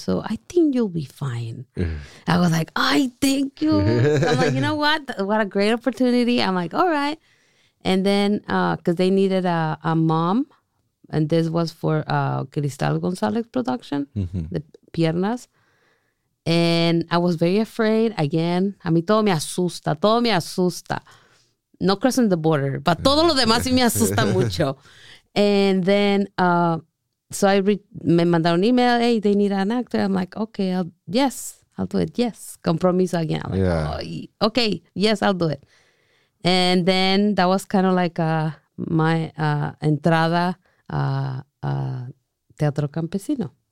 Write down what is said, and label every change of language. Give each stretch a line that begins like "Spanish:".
English: So I think you'll be fine. I was like, I thank you. I'm like, you know what? What a great opportunity. I'm like, all right. And then, cause they needed a mom. And this was for Cristal Gonzalez production, the Piernas. And I was very afraid again.
Spanish: A mí todo me asusta, todo me asusta.
English: No crossing the border, but
Spanish: todo lo demás sí me asusta mucho.
English: And then,
Spanish: me mandaron
English: email, hey, they need an actor. I'm like, okay, I'll do it. Yes, compromiso again. I'm like, yeah. Okay, yes, I'll do it. And then that was kind of like
Spanish: entrada a
English: Teatro Campesino.